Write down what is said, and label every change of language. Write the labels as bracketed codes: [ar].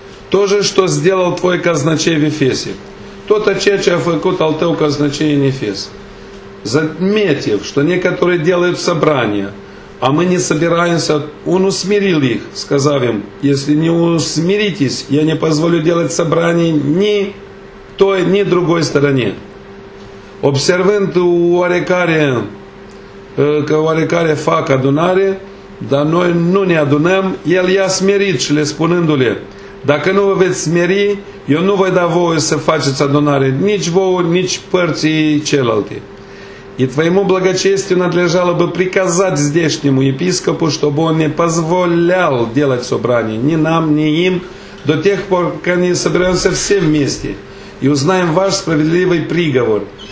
[ru] То же, что сделал твой казначей в Ефесе. Тот, что я сделал твой казначей в Ефесе. Заметив, что некоторые делают собрания, а мы не собираемся, он усмирил их, сказав им: если не усмиритесь, я не позволю делать собрания ни той, ни другой стороне. [ro] Observând oarecare fac adunare, dar noi nu ne adunăm, el i-a smerit și le spunându-le: dacă nu vă veți smeri, eu nu voi da voie să faceți adunare nici voi, nici părții celălalt. [ru] И твоему благочестию надлежало бы приказать здешнему епископу, чтобы он не позволял делать собрание ни нам, ни им, до тех пор, пока не соберемся все вместе и узнаем ваш справедливый приговор.